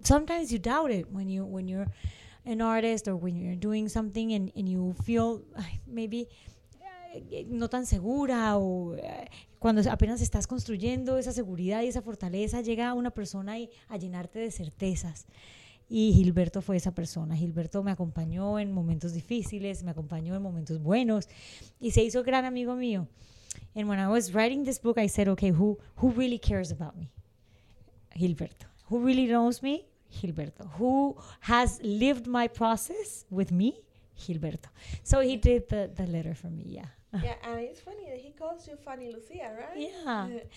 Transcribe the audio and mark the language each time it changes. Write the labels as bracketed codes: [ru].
[en] Sometimes you doubt it when you're an artist or when you're doing something and you feel maybe [es] no tan segura o... Cuando apenas estás construyendo esa seguridad y esa fortaleza, llega una persona y a llenarte de certezas. Y Gilberto fue esa persona. Gilberto me acompañó en momentos difíciles, me acompañó en momentos buenos y se hizo gran amigo mío. [en] And when I was writing this book, I said, okay, who really cares about me? Gilberto. Who really knows me? Gilberto. Who has lived my process with me? Gilberto. So he did the letter for me, yeah. Yeah, and it's funny. He calls you Funny Lucia, right?